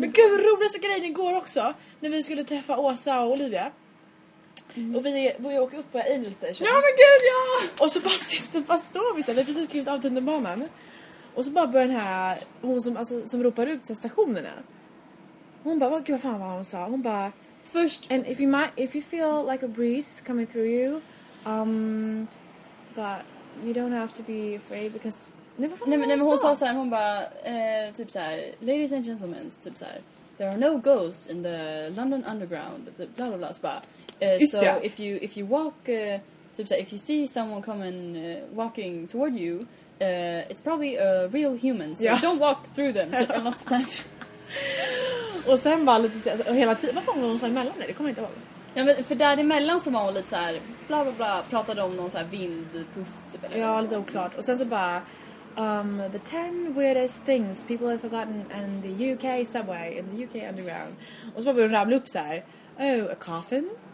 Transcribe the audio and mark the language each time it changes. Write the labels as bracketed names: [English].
[Swedish] Men gud, vad roligaste grejen igår också. När vi skulle träffa Åsa och Olivia. Mm. Och vi åker upp på Angel Station. Ja, men gud, ja! Och så bara står vi där. Vi har precis skrivit av tunnelbanan. Och så bara börjar den här, hon som, alltså, som ropar ut så här, stationerna. Hon bara, gud, vad fan vad hon sa. Hon bara, först, [English] and if you feel like a breeze coming through you, but... You don't have to be afraid because... [Swedish] Nej, men hon sa såhär, hon bara... typ såhär, [English] ladies and gentlemen, [Swedish] typ såhär... [English] There are no ghosts in the London Underground. Bla bla bla, bara... so yeah. if you walk... [Swedish] typ såhär, [English] if you see someone coming walking toward you... it's probably a real human, so yeah. Don't walk through them. Typ, <I'm not that. [Swedish] laughs> Och sen bara lite såhär, hela tiden... Varför var hon såhär emellan det? Det kommer jag inte ihåg. Ja, men för där emellan så var hon lite så här bla bla bla, pratade om någon så här vindpust typ, eller ja, lite oklart. Och sen så bara [English] the 10 weirdest things people have forgotten in the UK subway, in the UK underground. [Swedish] Och så bara började hon rabbla upp så här, [English] oh, a coffin.